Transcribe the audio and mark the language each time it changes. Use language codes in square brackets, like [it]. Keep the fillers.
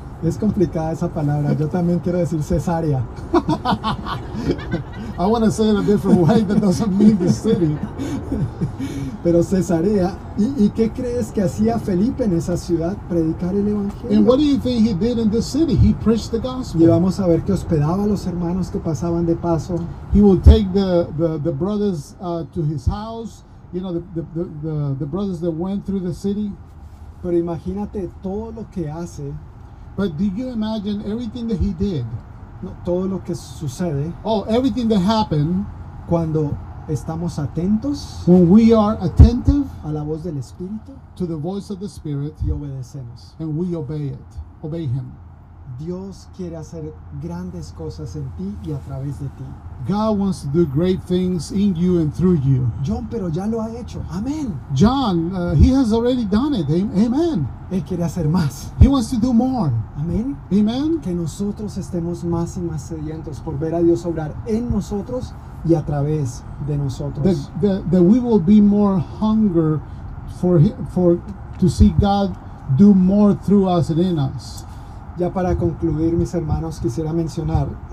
[es] Es complicada esa palabra. Yo también quiero decir Cesarea. [en] I want to say it a different way but that doesn't mean the city. [es] Pero cesarea. ¿Y, ¿Y qué crees que hacía Felipe en esa ciudad? Predicar el evangelio. [en] And what do you think he did in this city? He preached the gospel. [es] Y vamos a ver que hospedaba a los hermanos que pasaban de paso. [en] He would take the, the, the brothers uh, to his house. You know, the, the, the, the brothers that went through the city. [es] Pero imagínate todo lo que hace. [en] But do you imagine everything that he did? [es] No, todo lo que sucede. [en] Oh, everything that happened. [es] Cuando estamos atentos. [en] When we are attentive. [es] A la voz del Espíritu. [en] To the voice of the Spirit. [es] Y obedecemos. [en] And we obey it. Obey him. [es] Dios quiere hacer grandes cosas en ti y a través de ti. [en] God wants to do great things in you and through you. John, [es] pero ya lo ha hecho. Amén. [en] John, uh, he has already done it. [es] Amen. Él quiere hacer más. [en] He wants to do more. [es] Amén. Amen. Que nosotros estemos más y más sedientos por ver a Dios obrar en nosotros y a través de nosotros. [en] That, that, that we will be more hunger for for to see God do more through us and in us. [es] Ya para concluir, mis hermanos, quisiera mencionar.